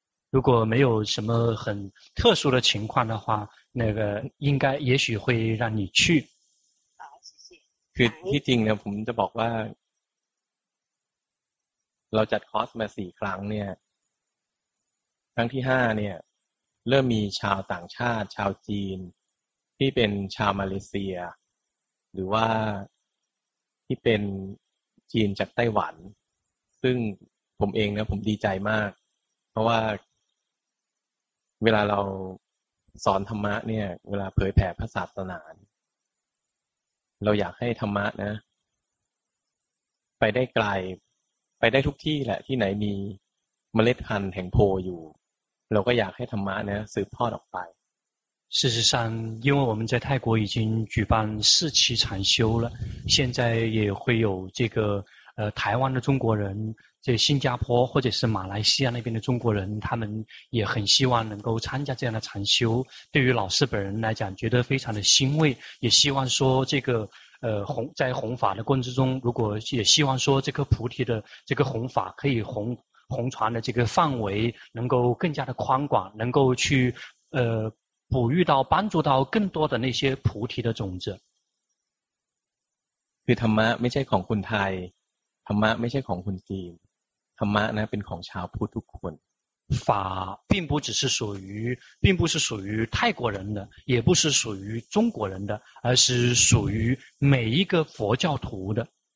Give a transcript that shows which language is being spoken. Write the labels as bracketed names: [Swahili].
[Chinese] 如果没有什么很特殊的情况的话，那个应该也许会让你去。 [Thai] คือที่จริงเนี่ยผมจะบอกว่าเราจัดคอร์สมา4ครั้งเนี่ยครั้งที่5เนี่ยเริ่มมีชาวต่างชาติชาวจีนที่เป็นชาวมาเลเซียหรือว่าที่เป็นจีนจากไต้หวันซึ่งผมเองนะผมดีใจมากเพราะว่า เวลาเราสอนธรรมะเนี่ยเวลาเผยแผ่พระศาสนาเราอยากให้ธรรมะนะ ไปได้ไกลไปได้ทุกที่แหละที่ไหนมีเมล็ดพันธุ์แห่งโพอยู่เราก็อยากให้ธรรมะนะสืบทอดออกไป [Chinese] 事实上因为我们在泰国已经举办四期禅修了，现在也会有这个台湾的中国人，这新加坡或者是马来西亚那边的中国人，他们也很希望能够参加这样的禅修。对于老师本人来讲，觉得非常的欣慰，也希望说这个在弘法的过程之中，如果也希望说这颗菩提的这个弘法可以弘传的这个范围能够更加的宽广，能够去哺育到帮助到更多的那些菩提的种子。 [Thai] คือธรรมะไม่ใช่ของคนไทยธรรมะไม่ใช่ของคนจีนธรรมะนะเป็นของชาวพุทธทุกคน [Chinese] 法并不只是属于并不是属于泰国人的也不是属于中国人的而是属于每一个佛教徒的